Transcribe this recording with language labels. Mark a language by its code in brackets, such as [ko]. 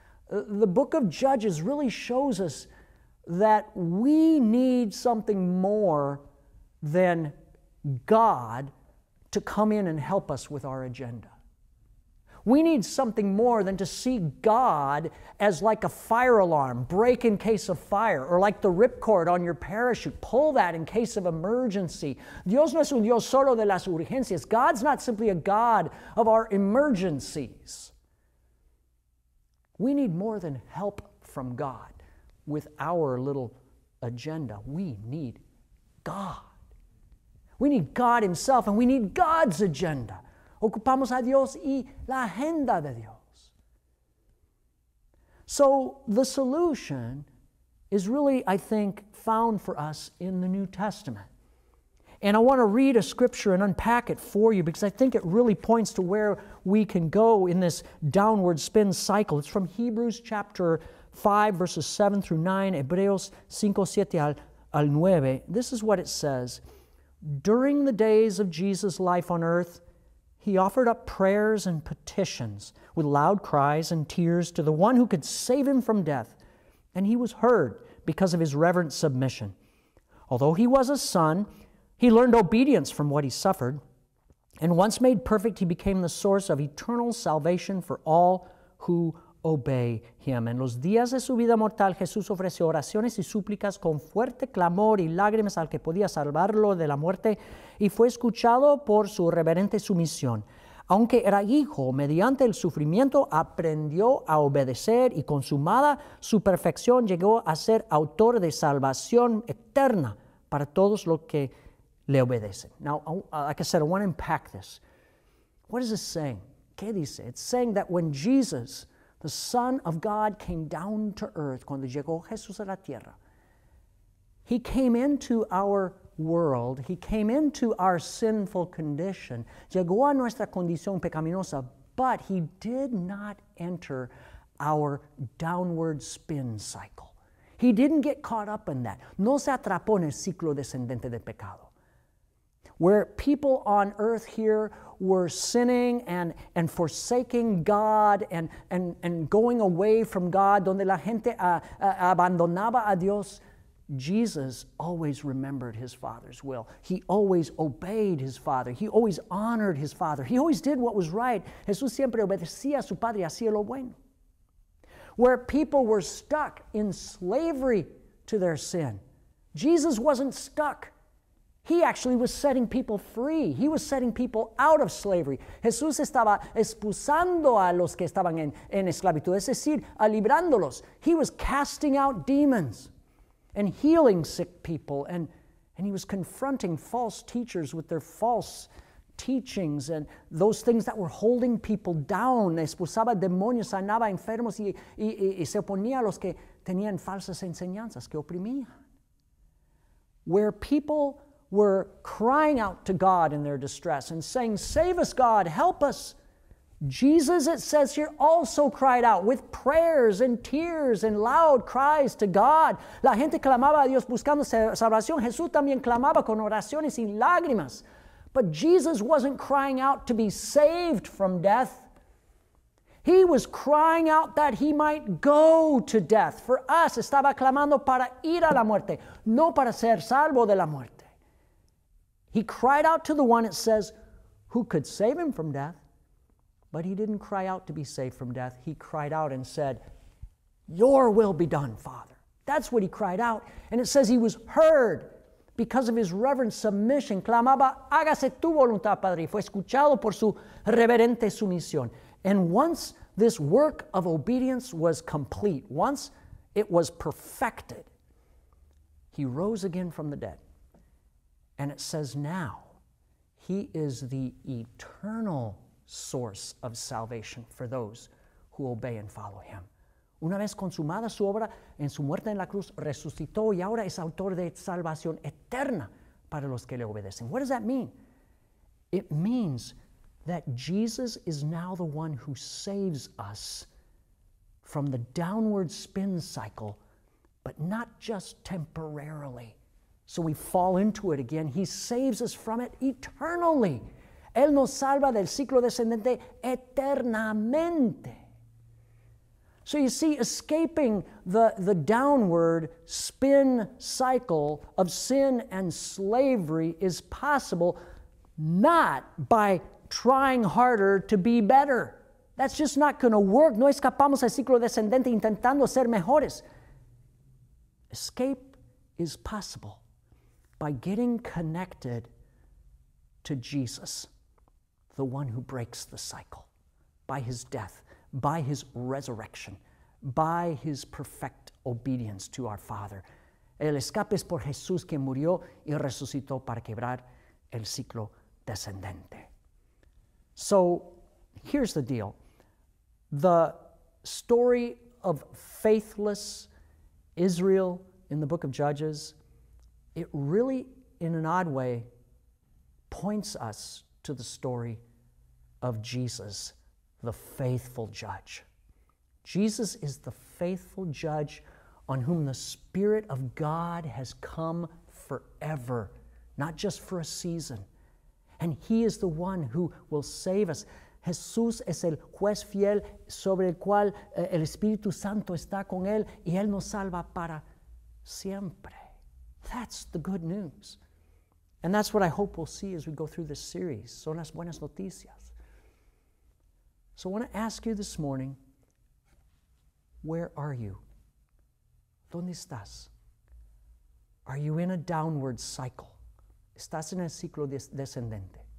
[en] The book of Judges really shows us that we need something more than God to come in and help us with our agenda. We need something more than to see God as like a fire alarm, break in case of fire, or like the ripcord on your parachute, pull that in case of emergency. [es] Dios no es un Dios solo de las urgencias. [en] God's not simply a God of our emergencies. We need more than help from God with our little agenda. We need God. We need God Himself, and we need God's agenda. [es] Ocupamos a Dios y la agenda de Dios. [en] So the solution is really, I think, found for us in the New Testament. And I want to read a scripture and unpack it for you because I think it really points to where we can go in this downward spin cycle. It's from Hebrews chapter 5, verses 7 through 9, [es] Hebreos 5, 7 al 9. [en] This is what it says. During the days of Jesus' life on earth, He offered up prayers and petitions with loud cries and tears to the one who could save Him from death. And He was heard because of His reverent submission. Although He was a son, He learned obedience from what He suffered, and once made perfect, He became the source of eternal salvation for all who obey Him. [es] En los días de su vida mortal, Jesús ofreció oraciones y súplicas con fuerte clamor y lágrimas al que podía salvarlo de la muerte, y fue escuchado por su reverente sumisión. Aunque era hijo, mediante el sufrimiento aprendió a obedecer, y consumada su perfección, llegó a ser autor de salvación eterna para todos los que le obedecen. [en] Now, like I said, I want to unpack this. What is this saying? [es] ¿Qué dice? [en] It's saying that when Jesus, the Son of God, came down to earth, [es] cuando llegó Jesús a la tierra, [en] He came into our world, He came into our sinful condition, [es] llegó a nuestra condición pecaminosa, [en] but He did not enter our downward spin cycle. He didn't get caught up in that. [es] No se atrapó en el ciclo descendente del pecado. [en] Where people on earth here were sinning and forsaking God and going away from God, [es] donde la gente abandonaba a Dios, [en] Jesus always remembered His Father's will. He always obeyed His Father. He always honored His Father. He always did what was right. [es] Jesús siempre obedecía a su Padre, hacía lo bueno. [en] Where people were stuck in slavery to their sin, Jesus wasn't stuck. He actually was setting people free. He was setting people out of slavery. [es] Jesús estaba expulsando a los que estaban en esclavitud, es decir, a librándolos. [en] He was casting out demons and healing sick people, and He was confronting false teachers with their false teachings and those things that were holding people down. [es] Expulsaba demonios, sanaba enfermos y se oponía a los que tenían falsas enseñanzas que oprimían. [en] Where people were crying out to God in their distress and saying, "Save us, God, help us." Jesus, it says here, also cried out with prayers and tears and loud cries to God. [es] La gente clamaba a Dios buscando salvación. Jesús también clamaba con oraciones y lágrimas. [en] But Jesus wasn't crying out to be saved from death. He was crying out that He might go to death. For us, [es] estaba clamando para ir a la muerte, no para ser salvo de la muerte. [en] He cried out to the one, it says, who could save Him from death. But He didn't cry out to be saved from death. He cried out and said, "Your will be done, Father." That's what He cried out. And it says He was heard because of His reverent submission. [es] Clamaba, "Hágase tu voluntad, Padre." Fue escuchado por su reverente sumisión. [en] And once this work of obedience was complete, once it was perfected, He rose again from the dead. And it says now, He is the eternal source of salvation for those who obey and follow him. [es] Una vez consumada su obra en su muerte en la cruz, resucitó y ahora es autor de salvación eterna para los que le obedecen. [en] What does that mean? It means that Jesus is now the one who saves us from the downward spin cycle, but not just temporarily. So we fall into it again. He saves us from it eternally. [es] Él nos salva del ciclo descendente eternamente. [en] So you see, escaping the downward spin cycle of sin and slavery is possible not by trying harder to be better. That's just not going to work. [es] No escapamos al ciclo descendente intentando ser mejores. [en] Escape is possible by getting connected to Jesus, the one who breaks the cycle, by his death, by his resurrection, by his perfect obedience to our Father. [es] El escape es por Jesús quien murió y resucitó para quebrar el ciclo descendente. [en] So here's the deal. The story of faithless Israel in the book of Judges, it really, in an odd way, points us to the story of Jesus, the faithful judge. Jesus is the faithful judge on whom the Spirit of God has come forever, not just for a season. And he is the one who will save us. [es] Jesús es el juez fiel sobre el cual el Espíritu Santo está con él y él nos salva para siempre. [en] That's the good news. And that's what I hope we'll see as we go through this series. [es] Son las buenas noticias. [en] So I want to ask you this morning, where are you? [es] ¿Dónde estás? [en] Are you in a downward cycle? [es] ¿Estás en el ciclo descendente?